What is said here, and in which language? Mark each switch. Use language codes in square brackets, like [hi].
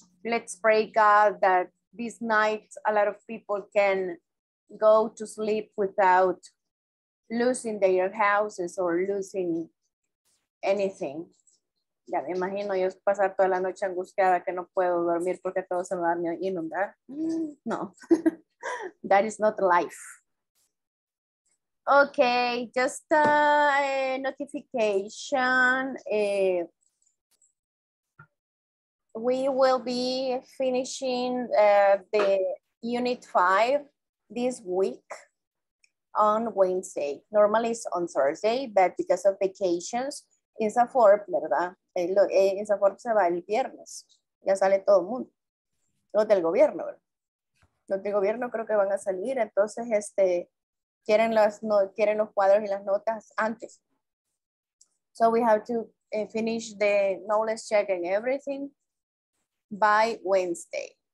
[en] Let's pray, God, that this night a lot of people can go to sleep without losing their houses or losing anything. [es] Ya me imagino yo pasar toda la noche angustiada que no puedo dormir porque todo se me va a inundar. [en] No, that is not life. Okay, just a notification. We will be finishing the unit 5 this week on Wednesday. Normally it's on Thursday, but because of vacations, INSAFORP, [es] ¿verdad? INSAFORP se va el viernes. Ya sale todo el mundo. Los del gobierno, ¿verdad? Los del gobierno creo que van a salir. Entonces, quieren los cuadros y las notas antes. [en] So we have to finish the knowledge check and everything by Wednesday.